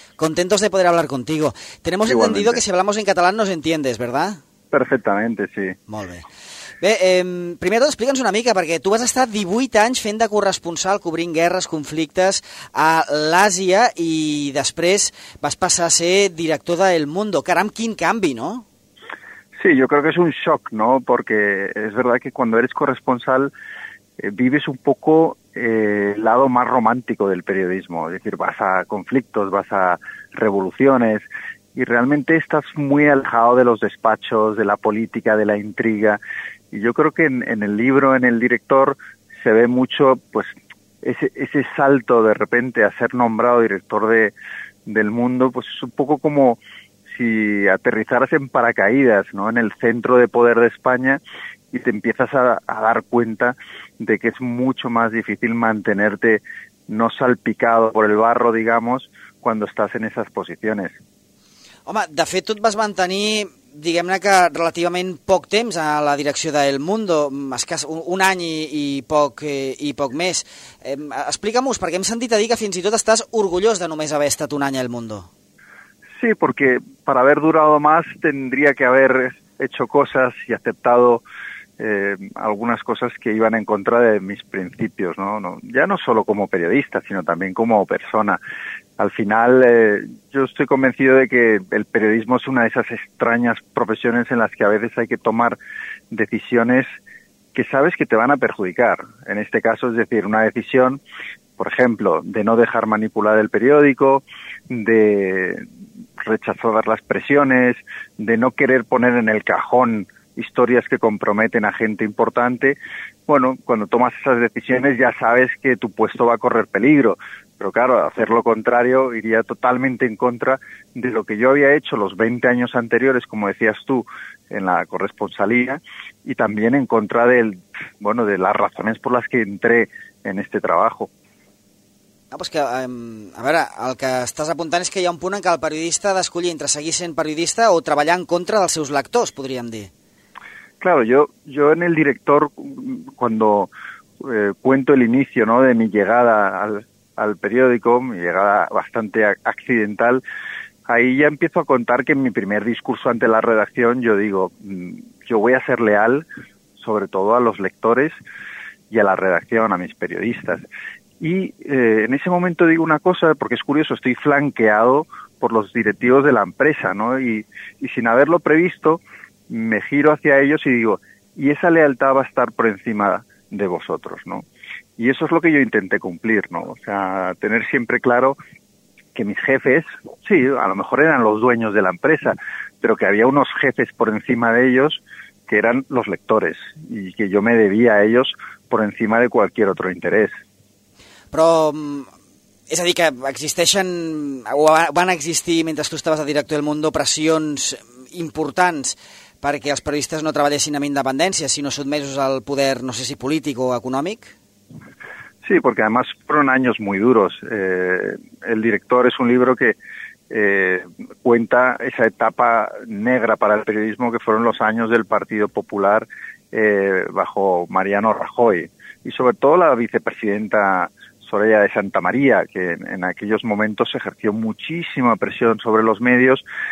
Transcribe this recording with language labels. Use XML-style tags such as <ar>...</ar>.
<es>Contentos de poder hablar contigo. Tenemos igualmente entendido que si hablamos en català nos entiendes, ¿verdad? Perfectamente, sí.</es> <ca>Molt bé. Bé, primer tot explica'ns una mica, perquè tu vas estar 18 anys fent de corresponsal, cobrint guerres, conflictes a l'Àsia i després vas passar a ser director de El Mundo. Caram, quin canvi, no?</ca> <es>Sí, yo creo que es un shock, ¿no? Porque es verdad que cuando eres corresponsal vives un poco el lado más romántico del periodismo. Es decir, vas a conflictos, vas a revoluciones y realmente estás muy alejado de los despachos, de la política, de la intriga. Y yo creo que en el libro, en el director, se ve mucho pues ese salto de repente a ser nombrado director del mundo, pues es un poco como si aterrizaras en paracaídas, ¿no? En el centro de poder de España y te empiezas a dar cuenta de que es mucho más difícil mantenerte no salpicado por el barro, digamos, cuando estás en esas posiciones.</es> <ca>Home, de fet, tu et vas mantenir, diguem-ne que relativament poc temps a la direcció d'El Mundo, un any i poc més. Explica'm-nos, perquè hem sentit a dir que fins i tot estàs orgullós de només haver estat un any a El Mundo.</ca> <es>Sí, porque para haber durado más tendría que haber hecho cosas y aceptado algunas cosas que iban en contra de mis principios, ¿no? No, ya no solo como periodista, sino también como persona. Al final, yo estoy convencido de que el periodismo es una de esas extrañas profesiones en las que a veces hay que tomar decisiones que sabes que te van a perjudicar. En este caso, es decir, una decisión, por ejemplo, de no dejar manipular el periódico, de rechazar las presiones, de no querer poner en el cajón historias que comprometen a gente importante. Bueno, cuando tomas esas decisiones ya sabes que tu puesto va a correr peligro. Pero claro, hacer lo contrario iría totalmente en contra de lo que yo había hecho los 20 años anteriores, como decías tú, en la corresponsalía, y también en contra de las razones por las que entré en este trabajo.</es> <ca>Ah,</ca> <es>pues que,</es> <ca>a veure, el que estàs apuntant és que hi ha un punt en què el periodista ha d'escollir entre seguir sent periodista o treballar en contra dels seus lectors, podríem dir.</ca> <es>Claro, yo en el director, cuando cuento el inicio, ¿no?, de mi llegada al periódico, mi llegada bastante accidental, ahí ya empiezo a contar que en mi primer discurso ante la redacción yo digo, yo voy a ser leal sobre todo a los lectores y a la redacción, a mis periodistas. Y en ese momento digo una cosa, porque es curioso, estoy flanqueado por los directivos de la empresa, ¿no? Y sin haberlo previsto, me giro hacia ellos y digo, y esa lealtad va a estar por encima de vosotros, ¿no? Y eso es lo que yo intenté cumplir, ¿no? O sea, tener siempre claro que mis jefes, sí, a lo mejor eran los dueños de la empresa, pero que había unos jefes por encima de ellos que eran los lectores y que yo me debía a ellos por encima de cualquier otro interés.</es> <ca>Però, és a dir, que existeixen o van existir mentre tu estaves a director del Mundo pressions importants perquè els periodistes no treballessin amb independència, sinó sotmesos al poder, no sé si polític o econòmic?</ca> <es>Sí, porque además fueron años muy duros. El director es un libro que cuenta esa etapa negra para el periodismo que fueron los años del Partido Popular bajo Mariano Rajoy y sobre todo la vicepresidenta Soraya de Santa María, que en aquellos momentos ejerció muchísima presión sobre los medios.</es>